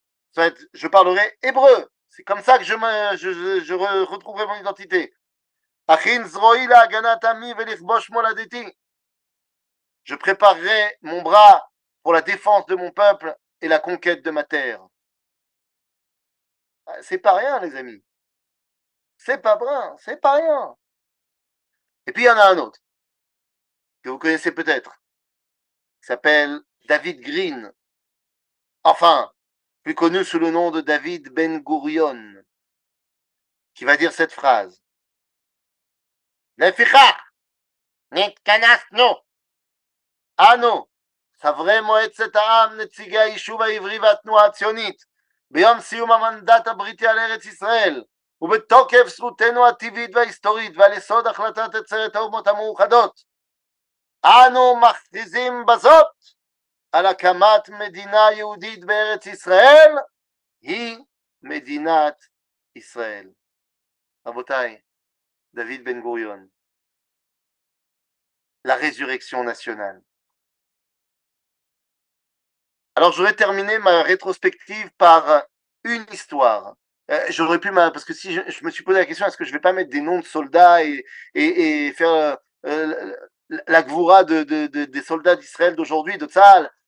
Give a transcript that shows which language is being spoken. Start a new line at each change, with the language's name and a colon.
Hebrew: זאת אומרת,
French: je parlerai hébreu. C'est comme ça que je retrouverai mon identité.
Hebrew: אכין זרועי להגנת עמי ולכבוש מולדתי.
French: Je préparerai mon bras pour la défense de mon peuple et la conquête de ma terre. C'est pas rien, les amis. C'est pas brun, c'est pas rien. Et puis il y en a un autre que vous connaissez peut-être, qui s'appelle David Green, enfin plus connu sous le nom de David Ben Gurion, qui va dire cette phrase:
Hebrew: Lefichach, nitkanasnu, anu, chavrei moetzet ha'am, netzigei ha'yishuv ha'ivri v'atnua ha'tzionit, biyom siyum ha'mandat ha'briti al eretz Yisrael. ובתוקף זכותנו הטבעית וההיסטורית ועל יסוד החלטת עצרת האומות המאוחדות, אנו מכריזים בזאת על הקמת מדינה יהודית בארץ ישראל, היא מדינת ישראל.
French: רבותיי, דוד בן גוריון, la résurrection nationale. Alors je vais terminer ma rétrospective par une histoire. J'aurais pu, parce que si je me suis posé la question, est-ce que je ne vais pas mettre des noms de soldats et faire la gvoura des soldats d'Israël d'aujourd'hui, de Tzahal?